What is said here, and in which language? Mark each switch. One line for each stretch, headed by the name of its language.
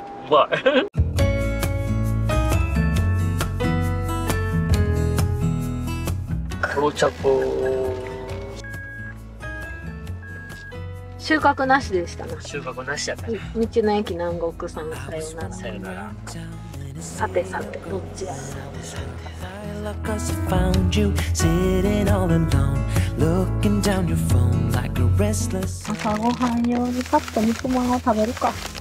Japanese: うまいお茶こう。収穫なしでしたね。収穫なしやったね。道の駅南国さん、さよなら。さよなら。さてさて、どっちや。
English: Cause I found you sitting all alone, looking down your phone like a restless.
Japanese: 朝ごはん用にカット肉まんを食べるか。